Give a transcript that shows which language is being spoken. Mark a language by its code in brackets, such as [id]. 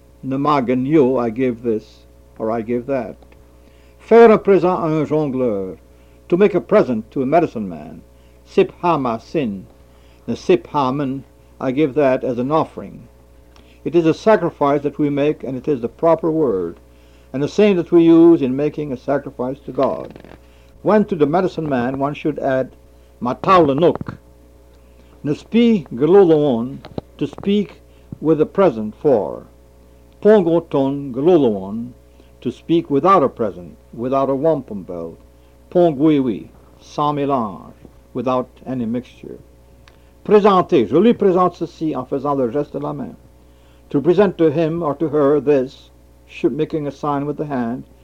[abe] Namagan yo, [en] I give this, or I give that. [fr] Faire un présent à un jongleur, [en] to make a present to a medicine man. [abe] Sip hama sin, [en] the sip haman, I give that as an offering. It is a sacrifice that we make, and it is the proper word, and the same that we use in making a sacrifice to God. When to the medicine man one should add [abe] matawlanuk, nespi gloloon, [en] to speak with a present for. [abe] Pongoton gloloon, [en] to speak without a present, without a wampum belt. Pongwiwi, [fr] sans mélange, [en] without any mixture. [fr] Présenter, je lui présente ceci en faisant le geste de la main. [en] To present to him or to her this, making a sign with the hand.